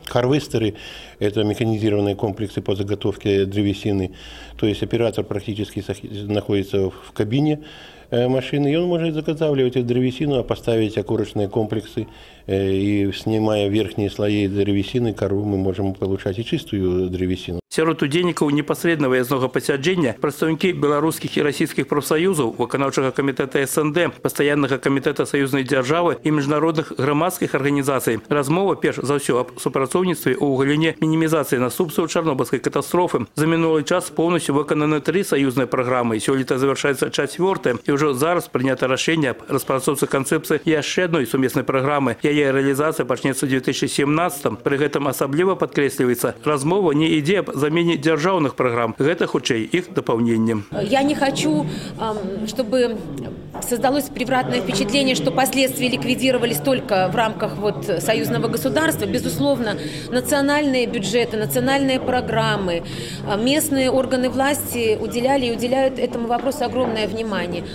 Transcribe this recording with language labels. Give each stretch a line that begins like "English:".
Russian: Харвестеры – это механизированные комплексы по заготовке древесины, то есть оператор практически находится в кабине машины, и он может заготавливать древесину, а поставить окурочные комплексы, и снимая верхние слои древесины, кору мы можем получать и чистую древесину.
Belarusian: Сярод удзельнікаў непасрэднага выязнага пасяджэння прадстаўнікі беларускіх і расійскіх прафсаюзаў, выканаўчага камітэта СНД, пастаяннага камітэта саюзнай дзяржавы і міжнародных грамадскіх арганізацый. Размова перш за ўсё аб супрацоўніцтве ў галіне мінімізацыі наступстваў Чарнобыльскай катастрофы. За мінулы час поўнасцю выкананы 3 саюзныя праграмы, сёлета завяршаецца 4-я, і ўжо зараз прынята рашэнне аб распрацоўцы канцэпцыі яшчэ адной сумеснай праграмы. Яе рэалізацыя пачнецца ў 2017. Пры гэтым асабліва падкрэсліваецца, размова не ідзе замене
Russian: державных программ. Это хучей их дополнением. Я не хочу, чтобы создалось превратное впечатление, что последствия ликвидировались только в рамках вот союзного государства. Безусловно, национальные бюджеты, национальные программы, местные органы власти уделяли и уделяют этому вопросу огромное внимание.